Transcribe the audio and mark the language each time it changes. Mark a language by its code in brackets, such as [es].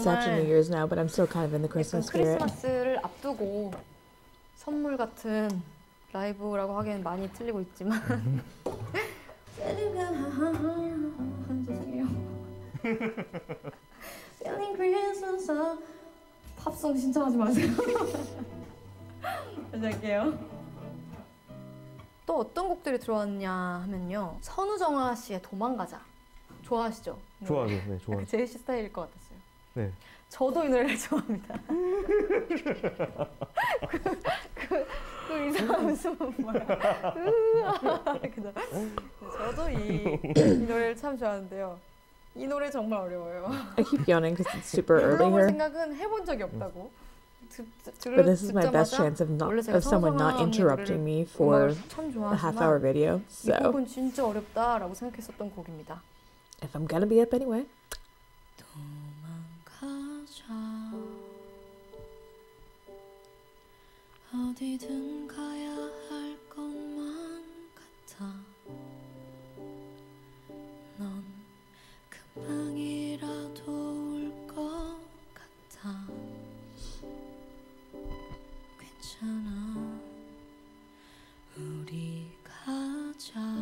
[en] It's after New Year's now, but I'm still kind of in the Christmas spirit. [ko] 크리스마스를 앞두고 선물 같은 라이브라고 하기엔 많이 틀리고 있지만 [en] Feeling good, haha. [ko] 죄송해요. [en] Feeling Christmas. [ko] 팝송 신청하지 마세요. 할게요. 또 어떤 곡들이 들어왔냐 하면요, 선우정아 씨의 도망가자. 좋아하시죠? 좋아하죠. 네, 좋아. 제 씨 스타일일 것 같았어요. 네. 저도 이 노래를 좋아합니다. 그 이상한 웃음은 뭐야? 저도 이 노래를 참 좋아하는데요. 이 노래 정말 어려워요. [en] I keep yawning because it's super early. [ko] 불러볼 생각은 해본 적이 없다고. [en] But this is my best chance of not of someone not interrupting me for a half hour video. So [ko] 이 곡은 진짜 어렵다라고 생각했었던 곡입니다. [en] If I'm gonna be up anyway. [ko] 도망가자 어디든 가야 할 것만 같아 넌 금방이라도 올 것 같아 괜찮아 우리 가자